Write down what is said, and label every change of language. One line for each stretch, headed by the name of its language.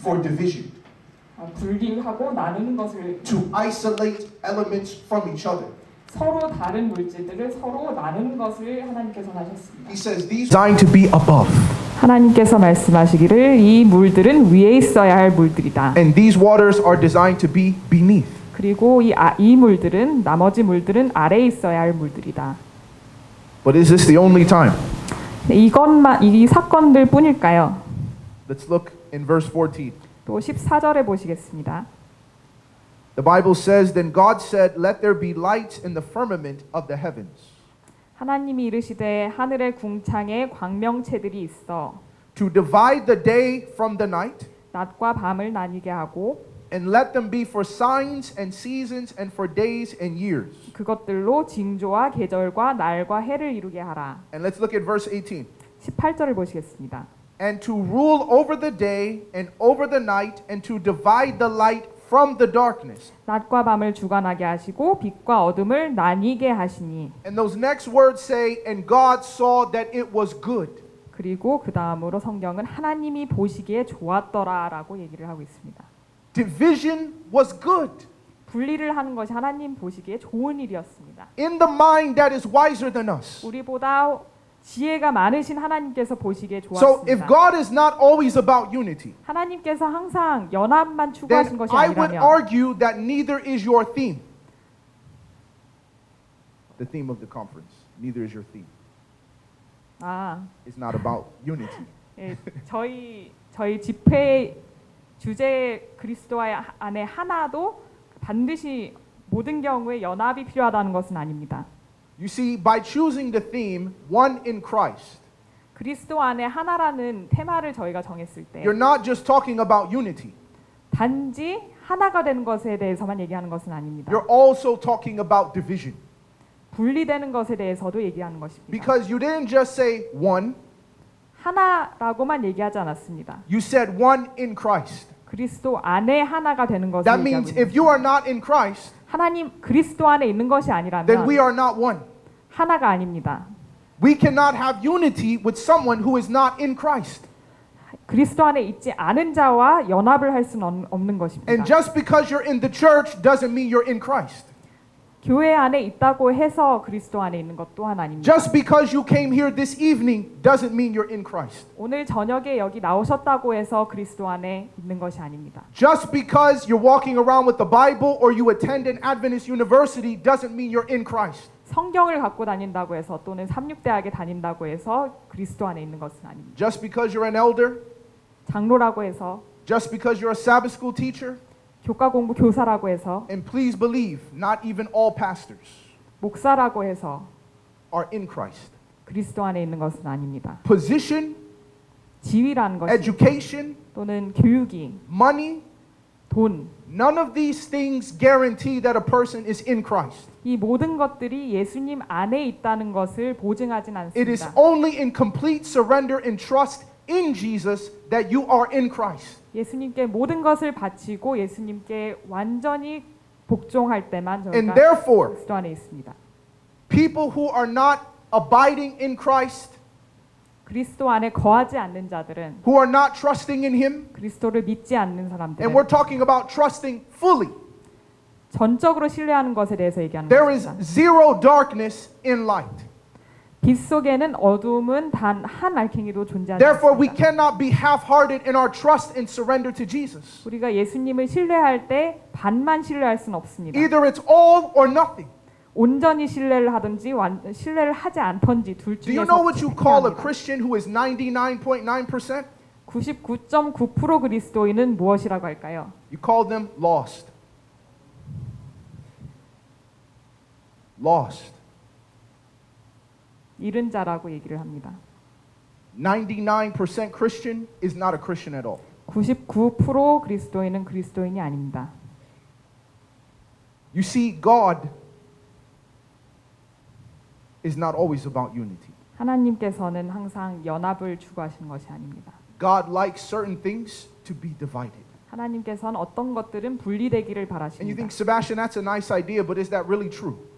English: For division.
Korean: 분리하고 나누는 것을
English: to isolate elements from each other.
Korean: 서로 다른 물질들을 서로 나누는 것을 하나님께서 하셨습니다.
English: He says these designed to be above.
Korean: 하나님께서 말씀하시기를 이 물들은 위에 있어야 할 물들이다.
English: And these waters are designed to be beneath.
Korean: 그리고 이 물들은 나머지 물들은 아래에 있어야 할 물들이다.
English: But is this the only time?
Korean: 이것만 이 사건들 뿐일까요?
English: Let's look in verse 14.
Korean: 또 14절에 보시겠습니다.
English: The Bible says, then God said, let there be lights in the firmament of the heavens.
Korean: 하나님이 이르시되 하늘의 궁창에 광명체들이 있어.
English: To divide the day from the night.
Korean: 낮과 밤을 나뉘게 하고.
English: And let them be for signs and seasons and for days and years.
Korean: 그것들로 징조와 계절과 날과 해를 이루게 하라.
English: And let's look at verse 18.
Korean: 18절을 보시겠습니다.
English: And to rule over the day and over the night and to divide the light from the darkness.
Korean: 낮과 밤을 주관하게 하시고 빛과 어둠을 나뉘게 하시니.
English: And those next words say and God saw that it was good.
Korean: 그리고 그다음으로 성경은 하나님이 보시기에 좋았더라라고 얘기를 하고 있습니다.
English: Division was good.
Korean: 분리를 하는 것이 하나님 보시기에 좋은 일이었습니다.
English: In the mind that is wiser than us.
Korean: 우리보다 지혜가 많으신 하나님께서 보시기에 좋았습니다.
English: So if God is not always about unity,
Korean: 하나님께서 항상 연합만 추구하신 것이 아니라면,
English: then I would argue that neither is your theme. the theme of the conference. Neither is your theme. 아. It's not about unity.
Korean: 예, 저희 집회 주제 그리스도 안에 하나도 반드시 모든 경우에 연합이 필요하다는 것은 아닙니다.
English: You see, by choosing the theme "One in Christ,"
Korean: 그리스도 안에 하나라는 테마를 저희가 정했을 때,
English: you're not just talking about unity.
Korean: 단지 하나가 되는 것에 대해서만 얘기하는 것은 아닙니다.
English: You're also talking about division.
Korean: 분리되는 것에 대해서도 얘기하는 것입니다.
English: Because you didn't just say one.
Korean: 하나라고만 얘기하지 않았습니다.
English: You said one in Christ.
Korean: 그리스도 안에 하나가 되는 것을
English: That means if you are not in Christ,
Korean: 하나님 그리스도 안에 있는 것이 아니라면
English: then we are not one.
Korean: 하나가 아닙니다.
English: We cannot have unity with someone who is not in Christ.
Korean: 그리스도 안에 있지 않은 자와 연합을 할 수는 없는 것입니다.
English: And just because you're in the church doesn't mean you're in Christ.
Korean: 교회 안에 있다고 해서 그리스도 안에 있는 것 또한 아닙니다.
English: Just because you came here this evening doesn't mean you're in Christ.
Korean: 오늘 저녁에 여기 나오셨다고 해서 그리스도 안에 있는 것이 아닙니다.
English: Just because you're walking around with the Bible or you attend an Adventist university doesn't mean you're in Christ.
Korean: 성경을 갖고 다닌다고 해서 또는 삼육대학에 다닌다고 해서 그리스도 안에 있는 것은 아닙니다.
English: Just because you're an elder,
Korean: 장로라고 해서,
English: just because you're a Sabbath school teacher,
Korean: 교과 공부 교사라고 해서,
English: and please believe, not even all pastors,
Korean: 목사라고 해서,
English: are in Christ.
Korean: 그리스도 안에 있는 것은 아닙니다.
English: Position,
Korean: 지위라는 것이,
English: education,
Korean: 또는 교육이,
English: money,
Korean: 돈,
English: none of these things guarantee that a person is in Christ.
Korean: 이 모든 것들이 예수님 안에 있다는 것을 보증하진 않습니다.
English: It is only in complete surrender and trust in Jesus that you are in Christ.
Korean: 예수님께 모든 것을 바치고 예수님께 완전히 복종할 때만 저희가
English: And therefore,
Korean: 그리스도 안에 있습니다.
English: People who are not abiding in Christ,
Korean: 그리스도 안에 거하지 않는 자들은
English: who are not trusting in him,
Korean: 그리스도를 믿지 않는 사람들은
English: And we're talking about trusting fully.
Korean: 전적으로 신뢰하는 것에 대해서 얘기하는
English: There
Korean: 것입니다.
English: is zero darkness in light.
Korean: 빛 속에는 어둠은 단 한 알갱이도 존재하지
English: Therefore, Therefore, we cannot be half-hearted in our trust and surrender to Jesus.
Korean: 우리가 예수님을 신뢰할 때 반만 신뢰할 수는 없습니다.
English: Either it's all or nothing.
Korean: 온전히 신뢰를 하든지 신뢰를 하지 않든지 둘 중에서
English: Do you know what you call a Christian who is 99.9%?
Korean: 99.9% 그리스도인은 무엇이라고 할까요?
English: You call them lost. Lost.
Korean: 잃은 자라고 얘기를 합니다.
English: 99% Christian is not a Christian at all.
Korean: 99% 그리스도인은 그리스도인이 아닙니다.
English: You see, God is not always about unity.
Korean: 하나님께서는 항상 연합을 추구하시는 것이 아닙니다.
English: God likes certain things to be divided.
Korean: 하나님께서는 어떤 것들은 분리되기를 바라십니다.
English: And you think, Sebastian, that's a nice idea, but is that really true?